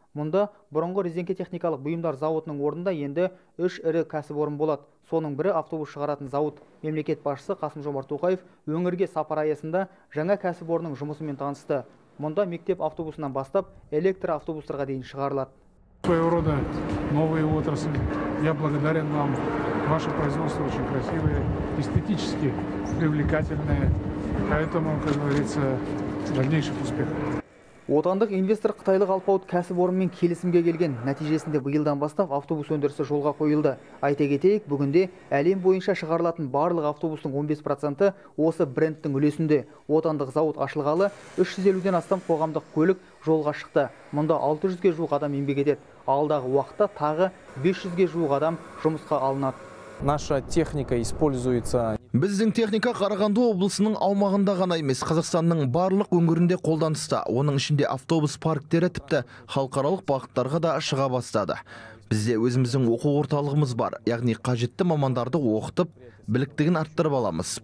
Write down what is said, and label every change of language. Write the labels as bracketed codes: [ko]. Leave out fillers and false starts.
[kk] Мұнда бұрынғы резеңке техникалық бұйымдар зауытының орнында енді 3 ірі кәсіпорын болады. Соның бірі автобус шығаратын зауыт. Мемлекет басшысы Қасым-Жомарт Тоқаев өңірге сапары аясында жаңа кәсіпорынның жұмысымен танысты. Мұнда мектеп автобусынан бастап электр автобустарға дейін шығарылады. [ru] Своего рода новые отрасли. Я благодарен вам. Ваше производство очень красивое, эстетически привлекательное. Поэтому, как говорится, дальнейших успехов. [kk] Отандық инвестор қытайлық Алпауыт кәсіпорнымен келісімге келген. Нәтижесінде биылдан бастап автобус өндірісі жолға қойылды. Айта кетейік, бүгінде әлем бойынша шығарылатын барлық автобустың 15% осы брендтің үлесінде. Отандық зауыт ашылғалы 350-ден астам қоғамдық көлік жолға шықты. Мұнда 600-ге жуық адам еңбек етеді. Алдағы уақытта тағы 500-ге жуық адам жұмысқа алынады. [ru] Наша техника используется. [kk] Біздің техника Қарағанды облысының аумағында ғана емес, Қазақстанның барлық өңірінде қолданыста. Оның ішінде автобус парктері тіпті халықаралық бағыттарға да шыға бастады. Бізде өзіміздің оқу орталығымыз бар, яғни қажетті мамандарды оқытып, біліктігін арттырып аламыз.